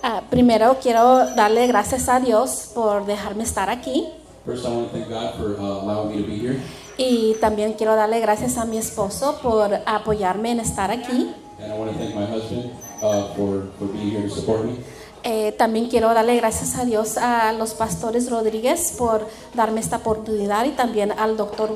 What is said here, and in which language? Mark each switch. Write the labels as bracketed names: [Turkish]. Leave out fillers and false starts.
[Spanish] Primero quiero darle gracias a Dios por dejarme estar aquí. [English] First, I want to thank God for allowing me to be here. [Spanish] Y también quiero darle gracias a mi esposo por apoyarme en estar aquí. [English] And I want to thank my husband for being here to support me. [Spanish] También quiero darle gracias a Dios a los pastores Rodríguez por darme esta oportunidad y también al Dr.